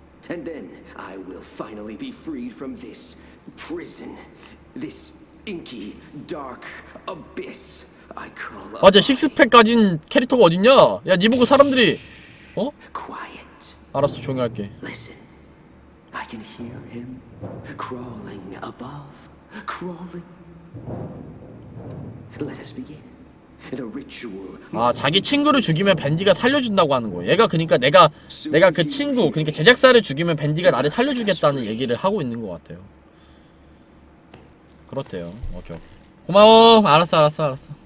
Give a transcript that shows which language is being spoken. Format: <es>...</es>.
<en>And then I will finally be freed from this prison, this inky dark abyss I call.</en> <ko>맞아, 식스팩 가진 캐릭터가 어딨냐? 야, 니 보고 사람들이 어?</ko> <en>Quiet.</en> <ko>알았어, 조용히 할게.</ko> <en>Listen. I can hear him crawling above, crawling. Let us begin. The ritual.</en> <ko>아, 자기 친구를 죽이면 밴디가 살려준다고 하는 거예요. 얘가 그러니까 내가 그 친구, 그러니까 제작사를 죽이면 밴디가 나를 살려주겠다는 얘기를 하고 있는 것 같아요. 그렇대요. 오케이. 고마워. 알았어, 알았어, 알았어.</ko>